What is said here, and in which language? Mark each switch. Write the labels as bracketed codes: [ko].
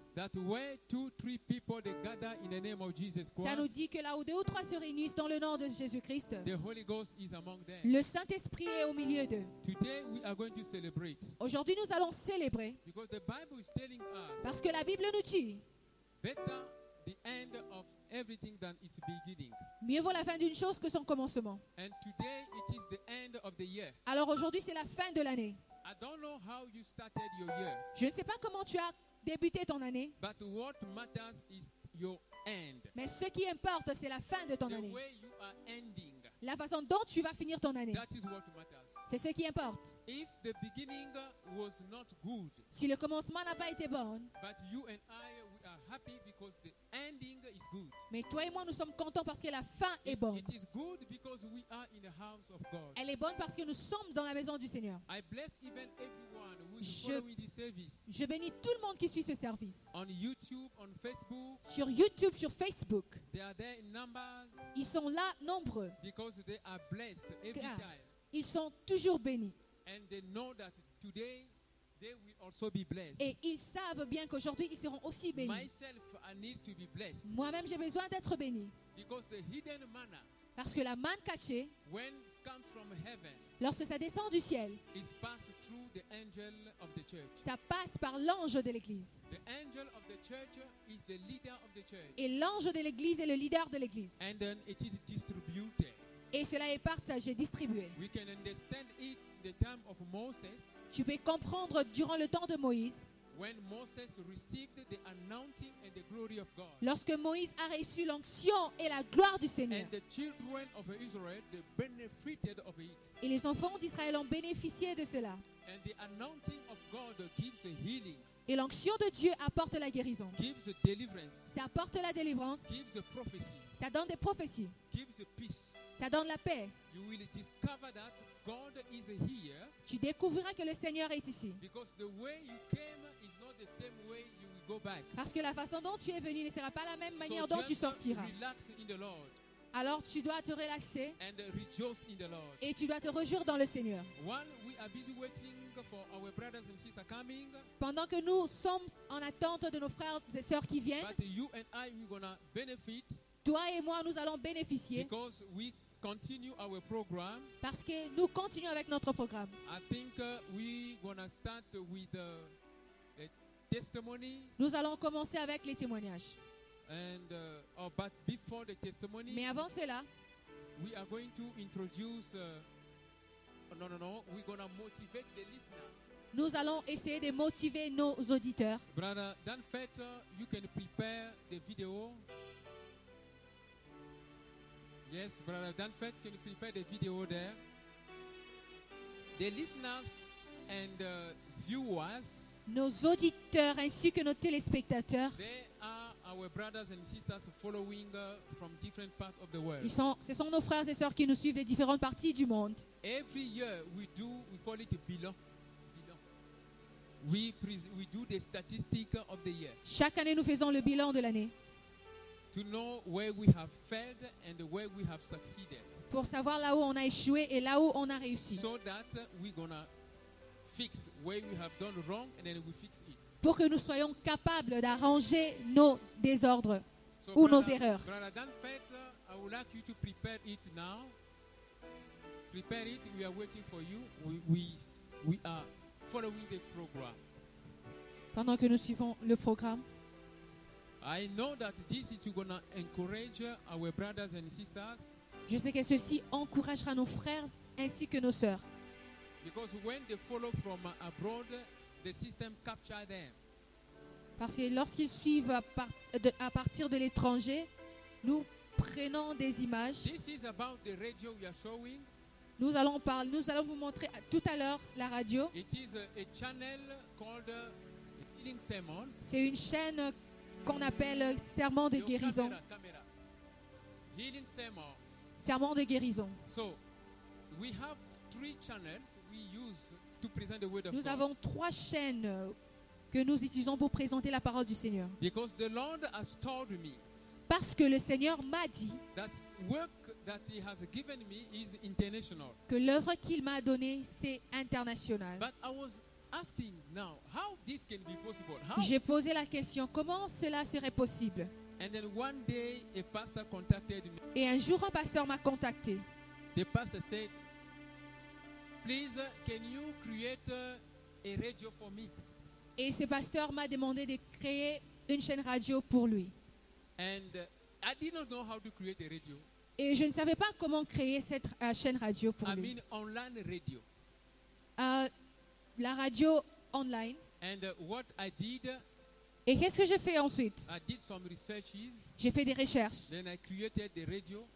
[en] that where two, three people they gather in the name of Jesus Christ, [fr] ça nous dit que là où deux ou trois se réunissent dans le nom de Jésus-Christ, [en] the Holy Ghost is among them. [fr] Le Saint-Esprit est au milieu d'eux. [en] Today we are going to celebrate. [fr] Aujourd'hui, nous allons célébrer [en] because the Bible is telling us, [fr] parce que la Bible nous dit [en] better the end of everything than its beginning. [fr] Mieux vaut la fin d'une chose que son commencement. [en] And today it is the end of the year. [fr] Alors aujourd'hui c'est la fin de l'année. [en] I don't know how you started your year. [fr] Je ne sais pas comment tu as débuté ton année. [en] But what matters is your end. [fr] Mais ce qui importe c'est la fin de ton [en] the [fr] année. [en] Way you are ending. [fr] La façon dont tu vas finir ton année. [en] That is what matters. [fr] C'est ce qui importe. [en] If the beginning was not good, [fr] si le commencement n'a pas été bon, [en] but you and I, we are happy because the ending is good. [fr] Mais toi et moi, nous sommes contents parce que la fin est bonne. [en] It is good because we are in the house of God. [fr] Elle est bonne parce que nous sommes dans la maison du Seigneur. [en] I bless even everyone who is following this service. [fr] Je bénis tout le monde qui suit ce service. [en] On YouTube, on Facebook, [fr] sur YouTube, sur Facebook. [en] They are there in numbers. [fr] Ils sont là nombreux. [en] Because they are blessed every [fr] car. [en] Time. [fr] Ils sont toujours bénis. [en] And they know that today they will also be blessed. [fr] Et ils savent bien qu'aujourd'hui, ils seront aussi bénis. [en] Myself, I need to be blessed. [fr] Moi-même, j'ai besoin d'être béni. [en] Because the hidden manna, [fr] parce que la manne cachée, [en] when it comes from heaven, [fr] lorsque ça descend du ciel, [en] it passes through the angel of the church. [fr] Ça passe par l'ange de l'église. [en] The angel of the church is the leader of the church. [fr] Et l'ange de l'église est le leader de l'église. [en] And then it is distributed. [fr] Et cela est partagé, distribué. [en] We can understand it the time of Moses, [fr] tu peux comprendre durant le temps de Moïse, [en] when Moses received the anointing and the glory of God, [fr] lorsque Moïse a reçu l'onction et la gloire du Seigneur, [en] and the children of Israel, they benefited of it. [fr] Et les enfants d'Israël ont bénéficié de cela. [en] And the anointing of God gives the healing. [fr] Et l'onction de Dieu apporte la guérison. [en] Gives the deliverance. [fr] Ça apporte la délivrance. [en] Gives the prophecy. [fr] Ça donne des prophéties. [en] Gives the peace. [fr] Ça donne la paix. [en] You will discover that God is here. [fr] Tu découvriras que le Seigneur est ici. [en] Because the way you came is not the same way you will go back. [fr] Parce que la façon dont tu es venu ne sera pas la même manière [en] so [fr] dont tu sortiras. [en] Relax in the Lord. [fr] Alors tu dois te relaxer. [en] And rejoice in the Lord. [fr] Et tu dois te réjouir dans le Seigneur. [en] While we are busy waiting for our brothers and sisters coming. [fr] Pendant que nous sommes en attente de nos frères et sœurs qui viennent. [en] But you and I we're gonna benefit. [fr] Toi et moi, nous allons bénéficier. [en] Because we continue our program. [fr] Parce que nous continuons avec notre programme. [en] I think we gonna start with the testimony. [fr] Nous allons commencer avec les témoignages. [en] And but before the testimony, [fr] mais avant cela, [en] we are going to introduce. We're gonna motivate the listeners. [fr] Nous allons essayer de motiver nos auditeurs. [en] Brother Dan Fett, you can prepare the video. Yes, Brother Dan Fett, can you prepare the video there? The listeners and viewers. [fr] Nos auditeurs ainsi que nos téléspectateurs. [en] They are our brothers and sisters following from different parts of the world. [fr] Ce sont nos frères et sœurs qui nous suivent des différentes parties du monde. [en] Every year we call it bilan. We do the statistics of the year. [fr] Chaque année nous faisons le bilan de l'année. [en] To know where we have failed and where we have succeeded. [fr] Pour savoir là où on a échoué et là où on a réussi. [en] So that we're gonna fix where we have done wrong and then we fix it. [fr] Pour que nous soyons capables d'arranger nos désordres [en] so [fr] ou [en] brother, [fr] nos erreurs. [en] Brother Dan Fett, I would like you to prepare it now. Prepare it. We are waiting for you. We are following the program. [fr] Pendant que nous suivons le programme. [en] I know that this is going to encourage our brothers and sisters. [fr] Je sais que ceci encouragera nos frères ainsi que nos sœurs. [en] Because when they follow from abroad, the system capture them. [fr] Parce que lorsqu'ils suivent à partir de l'étranger, nous prenons des images. [en] This is about the radio we are showing. [fr] Nous allons vous montrer tout à l'heure la radio. [en] It is a channel called Healing Sermons. [fr] C'est une chaîne qu'on appelle serment de guérison. [en] Camera. Healing sermons. [fr] Serment de guérison. [en] So, we have three channels we use to present the word of God. [fr] Nous avons trois chaînes que nous utilisons pour présenter la parole du Seigneur. [en] Because the Lord has told me. [fr] Parce que le Seigneur m'a dit. [en] That work that he has given me is international. [fr] Que l'œuvre qu'il m'a donnée c'est international. [en] But I was asking now how this can be possible. [fr] J'ai posé la question comment cela serait possible. [en] And then one day a pastor contacted me. [fr] Et un jour un pasteur m'a contacté. [en] The pastor said, please can you create a radio for me? [fr] Et ce pasteur m'a demandé de créer une chaîne radio pour lui. [en] And I did not know how to create a radio. [fr] Et je ne savais pas comment créer cette chaîne radio pour lui. [en] I mean online radio. [fr] La radio online. [en] And what I did, [fr] et qu'est-ce que j'ai fait ensuite? [en] I did some researches, [fr] j'ai fait des recherches. [en] Then I created the radio,